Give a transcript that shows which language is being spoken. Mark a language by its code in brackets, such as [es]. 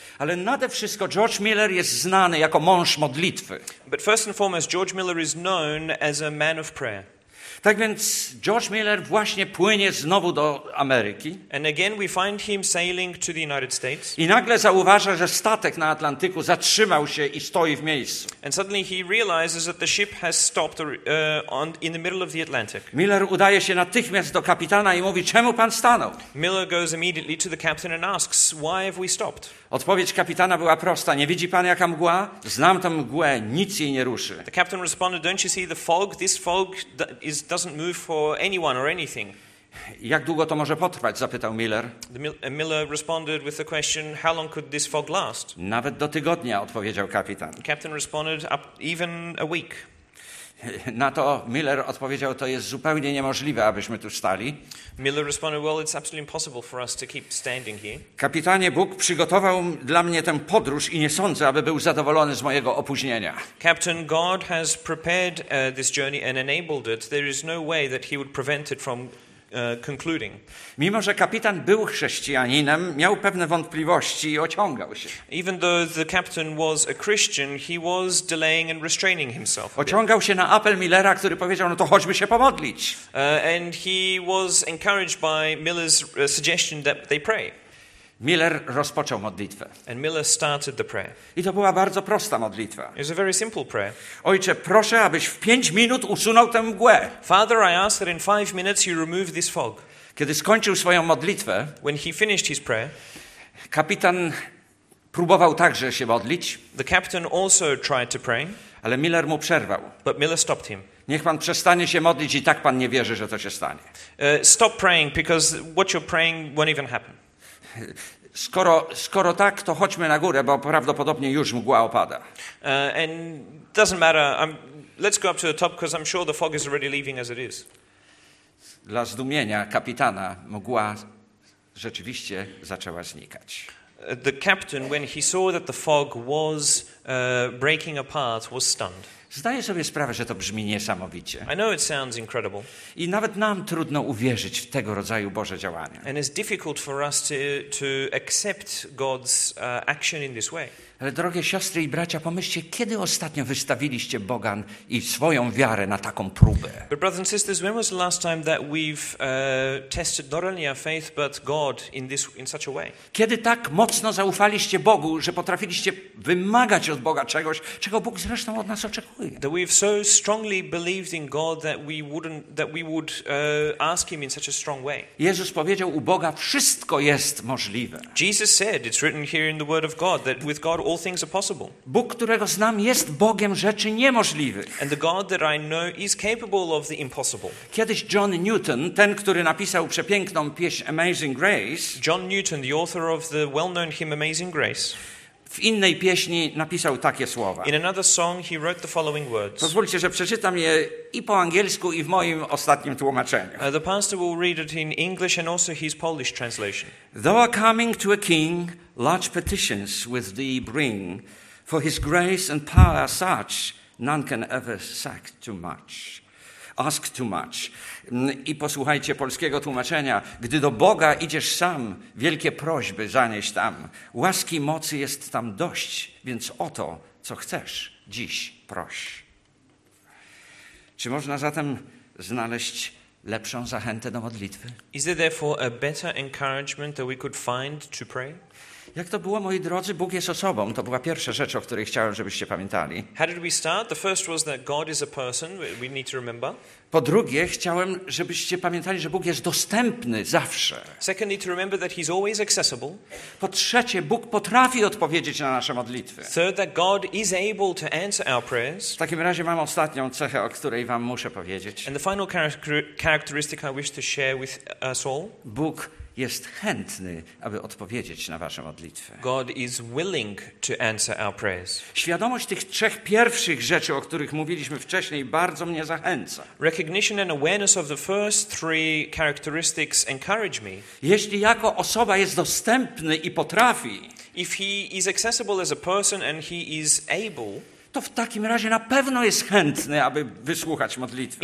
[pl] Ale nade wszystko George Mueller jest znany jako mąż modlitwy. [en] But first and foremost, George Mueller is known as a man of prayer. [pl] Tak więc George Mueller właśnie płynie znowu do Ameryki. [en] And again we find him sailing to the United States. [pl] I nagle zauważa, że statek na Atlantyku zatrzymał się i stoi w miejscu. [en] And suddenly he realizes that the ship has stopped in the middle of the Atlantic. [pl] Mueller udaje się natychmiast do kapitana i mówi, czemu pan stanął? [en] Mueller goes immediately to the captain and asks, why have we stopped? [pl] Odpowiedź kapitana była prosta. Nie widzi pan jaka mgła? Znam tę mgłę, nic jej nie ruszy. [en] The captain responded, don't you see the fog? This fog doesn't move for anyone or anything. [pl] Jak długo to może potrwać? Zapytał Miller. [en] Miller responded with the question, how long could this fog last? [pl] Nawet do tygodnia, odpowiedział kapitan. [en] The captain responded, up even a week. [pl] Na to Miller odpowiedział, to jest zupełnie niemożliwe, abyśmy tu stali. [en] Miller responded, well, it's absolutely impossible for us to keep standing here. [pl] Kapitanie, Bóg przygotował dla mnie tę podróż i nie sądzę, aby był zadowolony z mojego opóźnienia. [en] Captain, God has prepared this journey and enabled it. There is no way that he would prevent it from concluding. [pl] Mimo że kapitan był chrześcijaninem, miał pewne wątpliwości i ociągał się. [en] Even though the captain was a Christian, he was delaying and restraining himself. [pl] Ociągał się na apel Millera, który powiedział, no to chodźmy się pomodlić. [en] And he was encouraged by Miller's suggestion that they pray. [pl] Miller rozpoczął modlitwę. [en] And Miller started the prayer. [pl] I to była bardzo prosta modlitwa. [en] It was a very simple prayer. [pl] Ojcze, proszę, abyś w 5 minut usunął tę mgłę. [en] Father, I ask that in 5 minutes you remove this fog. [pl] Kiedy skończył swoją modlitwę, [en] when he finished his prayer, [pl] kapitan próbował także się modlić. [en] The captain also tried to pray. [pl] Ale Miller mu przerwał. [en] But Miller stopped him. [pl] Niech pan przestanie się modlić i tak pan nie wierzy, że to się stanie. [en] Stop praying because what you're praying won't even happen. [pl] Skoro tak, to chodźmy na górę, bo prawdopodobnie już mgła opada. [en] And doesn't matter. Let's go up to the top because I'm sure the fog is already leaving as it is. [pl] Dla zdumienia kapitana mgła rzeczywiście zaczęła znikać. [en] The captain, when he saw that the fog was breaking apart, was stunned. [pl] Zdaję sobie sprawę, że to brzmi niesamowicie. [en] I know it sounds incredible. [pl] I nawet nam trudno uwierzyć w tego rodzaju Boże działania. [en] And it's difficult for us to accept God's action in this way. [pl] Ale drogie siostry i bracia, pomyślcie, kiedy ostatnio wystawiliście Boga i swoją wiarę na taką próbę? [en] But brothers and sisters, when was the last time that we've tested not only our faith, but God in such a way? [pl] Kiedy tak mocno zaufaliście Bogu, że potrafiliście wymagać od Boga czegoś, czego Bóg zresztą od nas oczekuje? [en] That we've so strongly believed in God that we would ask him in such a strong way. [pl] Jezus powiedział, u Boga wszystko jest możliwe. [en] Jesus said, it's written here in the word of God, that with God all things are possible. [pl] Bóg, którego znam, jest Bogiem rzeczy niemożliwych. [en] And the God that I know is capable of the impossible. [pl] Kiedyś John Newton, ten, który napisał przepiękną pieśń Amazing Grace, [en] John Newton, the author of the well-known hymn Amazing Grace, [pl] w innej pieśni napisał takie słowa. [en] In another song he wrote the following words. [pl] Pozwólcie, że przeczytam je i po angielsku i w moim ostatnim tłumaczeniu. [en] The pastor will read it in English and also his Polish translation. Though coming to a king, large petitions with thee bring, For his grace and power are such, none can ever sack too much. Ask too much. [pl] I posłuchajcie polskiego tłumaczenia. Gdy do Boga idziesz sam, wielkie prośby zanieś tam. Łaski mocy jest tam dość, więc o to, co chcesz, dziś proś. Czy można zatem znaleźć lepszą zachętę do modlitwy? [en] Is there therefore a better encouragement that we could find to pray? [pl] Jak to było, moi drodzy, Bóg jest osobą. To była pierwsza rzecz, o której chciałem, żebyście pamiętali. [en] How did we start? The first was that God is a person. We need to remember. [pl] Po drugie, chciałem, żebyście pamiętali, że Bóg jest dostępny zawsze. [en] Secondly, to remember that he's always accessible. [pl] Po trzecie, Bóg potrafi odpowiedzieć na nasze modlitwy. [en] Third, that God is able to answer our prayers. [pl] W takim razie mam ostatnią cechę, o której wam muszę powiedzieć. [en] And the final characteristic I wish to share with us all. [pl] Bóg jest chętny, aby odpowiedzieć na wasze modlitwy. [en] God is willing to answer our prayers. [pl] Świadomość tych trzech pierwszych rzeczy, o których mówiliśmy wcześniej, bardzo mnie zachęca. [en] Recognition and awareness of the first three characteristics encourage me. [pl] Jeśli jako osoba jest dostępny i potrafi, [en] if he is accessible as a person and he is able, [pl] to w takim razie na pewno jest chętny, aby wysłuchać modlitwy.